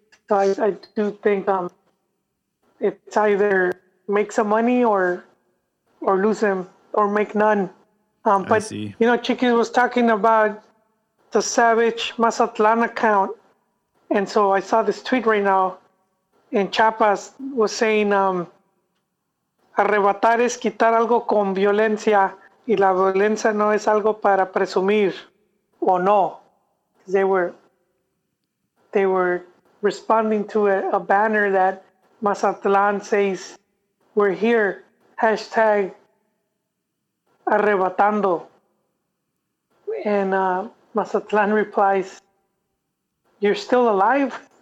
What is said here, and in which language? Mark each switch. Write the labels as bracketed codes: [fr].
[en] So I do think it's either make some money or lose him or make none. But you know, Chiqui was talking about the Savage Mazatlan account, and so I saw this tweet right now, and Chapas was saying. [es] Arrebatar es quitar algo con violencia, y la violencia no es algo para presumir, o no. [en] They were responding to a banner that Mazatlan says, "We're here." [es] Hashtag arrebatando. [en] And Mazatlan replies, "You're still alive."